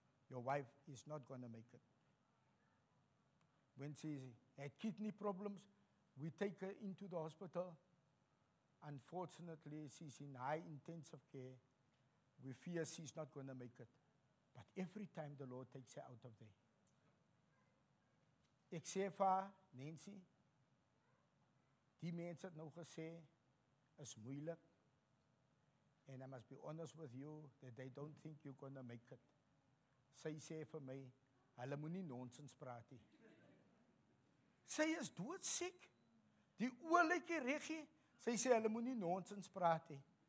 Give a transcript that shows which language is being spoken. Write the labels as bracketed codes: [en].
[en] Your wife is not going to make it. When she had kidney problems, we take her into the hospital. Unfortunately, she's in high intensive care. We fear she's not going to make it. But every time the Lord takes her out of there. [af] Ek sê vir Nancy, die mense het nou gesê, is moeilik. [en] And I must be honest with you that they don't think you're going to make it. [af] Sy sê vir my, hulle moet nie nonsens praat nie. Sy is doodsiek. Die oë lyk reg nie. Sy sê, hulle moet nie nonsens praat nie.